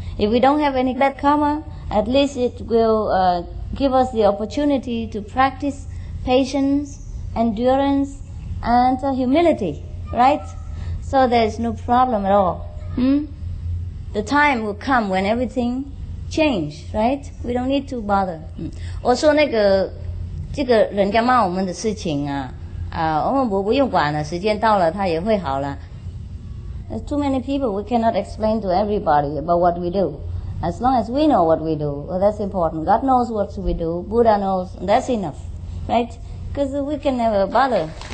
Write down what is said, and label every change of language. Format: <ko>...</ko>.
<en>If we don't have any bad karma, at least it will give us the opportunity to practice patience, endurance, and humility, right? So there's no problem at all. The time will come when everything change, right? We don't need to bother.</en> <zh>我说那个这个人家骂我们的事情啊，我们不用管了，时间到了他也会好了。</zh> <en>There's too many people, we cannot explain to everybody about what we do. As long as we know what we do, well, that's important. God knows what we do, Buddha knows, that's enough, right? Because we can never bother.</en>